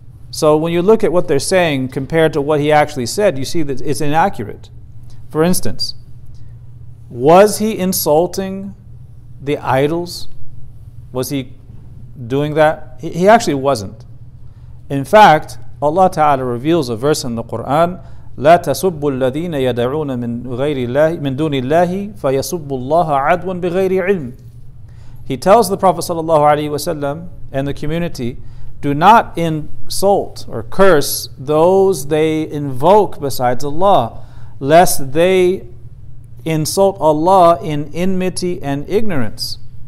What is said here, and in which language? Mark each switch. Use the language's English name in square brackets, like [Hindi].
[English] So when you look at what they're saying compared to what he actually said, you see that it's inaccurate. For instance, was he insulting the idols? Was he doing that? He actually wasn't. In fact, Allah Ta'ala reveals a verse in the Quran [Arabic] لا تسبوا الذين يدعون من غير الله من دون الله فيسبوا الله عدوا بغير علم. [English] He tells the Prophet sallallahu alaihi wasallam and the community, do not insult or curse those they invoke besides Allah, lest they insult Allah in enmity and ignorance.